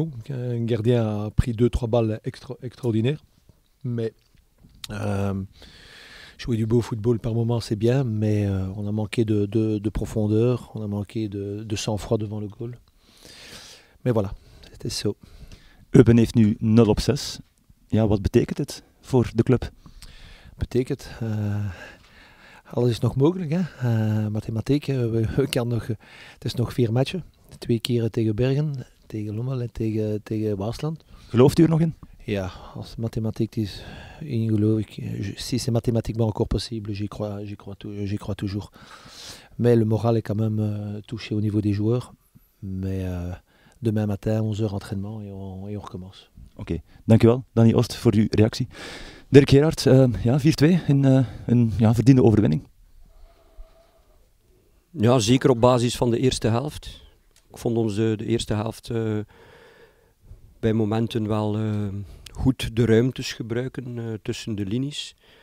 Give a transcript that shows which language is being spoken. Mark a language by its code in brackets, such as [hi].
[fr] Un gardien a pris 2-3 balles extraordinaires, mais jouer du beau football par moment c'est bien, mais on a manqué de profondeur, on a manqué de sang-froid devant le goal. Mais voilà, c'était ça. [nl] Eupen heeft nu 0-6. Ja, wat betekent het voor de club? Betekent, alles is nog mogelijk, hè? Mathematiek, het is nog 4 matchen, 2 keren tegen Bergen, tegen Lommel en tegen Waasland. Gelooft u er nog in? Ja, als mathematiek is ingelooflijk, [fr] si c'est mathématiquement encore possible, j'y crois toujours. Mais le moral est quand même touché au niveau des joueurs, mais demain matin, 11h entraînement et on recommence. [nl] Oké, dankjewel Danny Ost voor uw reactie. Dirk Gerard, 4-2 in een verdiende overwinning. Ja, zeker op basis van de eerste helft. Ik vond onze de eerste helft bij momenten wel goed de ruimtes gebruiken tussen de linies.